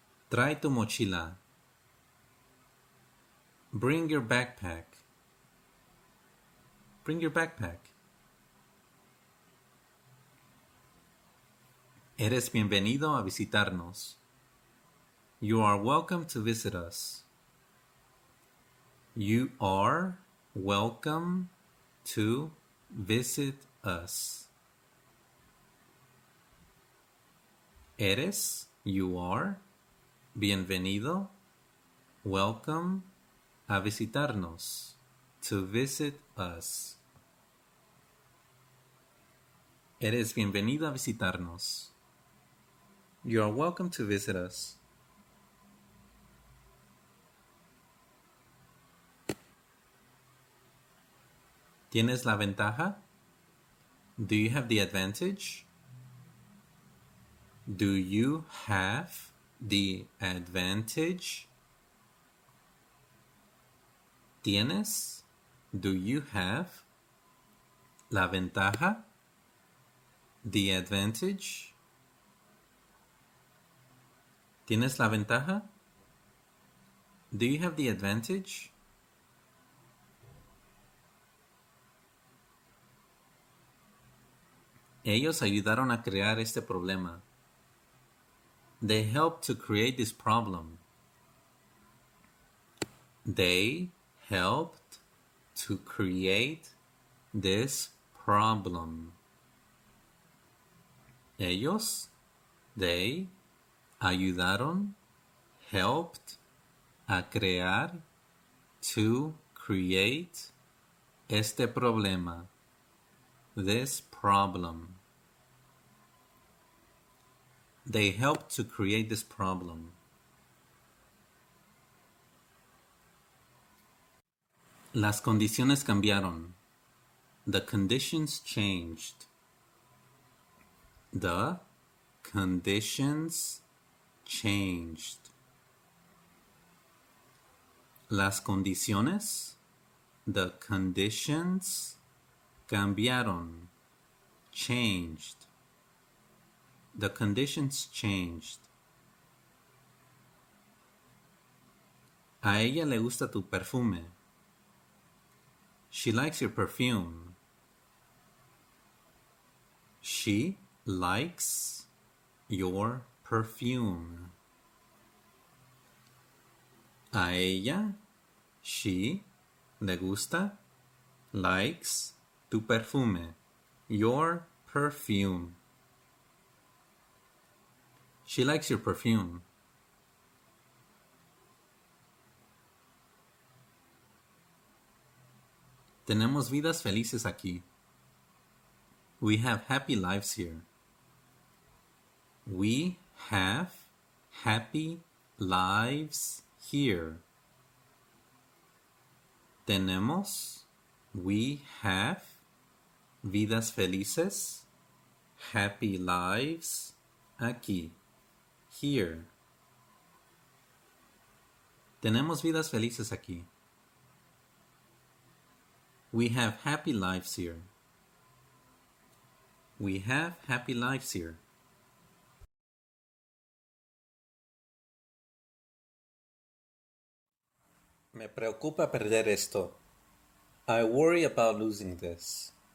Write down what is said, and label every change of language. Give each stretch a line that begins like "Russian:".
Spanish: Trae tu mochila.
English: Bring your backpack. Bring your backpack.
Spanish: Eres bienvenido a visitarnos.
English: You are welcome to visit us. You are welcome to visit us.
Spanish: Eres,
English: you are,
Spanish: bienvenido,
English: welcome
Spanish: a visitarnos,
English: to visit us.
Spanish: Eres bienvenido a visitarnos.
English: You are welcome to visit us.
Spanish: ¿Tienes la ventaja?
English: Do you have the advantage? Do you have the advantage?
Spanish: ¿Tienes?
English: Do you have
Spanish: la ventaja?
English: The advantage?
Spanish: ¿Tienes la ventaja?
English: Do you have the advantage?
Spanish: Ellos ayudaron a crear este problema.
English: They helped to create this problem. They helped to create this problem.
Spanish: Ellos,
English: they
Spanish: ayudaron,
English: helped,
Spanish: a crear,
English: to create,
Spanish: este problema,
English: this problem. They helped to create this problem.
Spanish: Las condiciones cambiaron.
English: The conditions changed. The conditions changed.
Spanish: Las condiciones,
English: the conditions,
Spanish: cambiaron,
English: changed. The conditions changed.
Spanish: A ella le gusta tu perfume.
English: She likes your perfume. She likes your perfume.
Spanish: A ella,
English: she,
Spanish: le gusta,
English: likes,
Spanish: tu perfume,
English: your perfume. She likes your perfume.
Spanish: Tenemos vidas felices aquí.
English: We have happy lives here. We have happy lives here.
Spanish: Tenemos,
English: we have,
Spanish: vidas felices,
English: happy lives,
Spanish: aquí,
English: here.
Spanish: Tenemos vidas felices aquí.
English: We have happy lives here. We have happy lives here.
Spanish: Me preocupa perder esto.
English: I worry about losing this.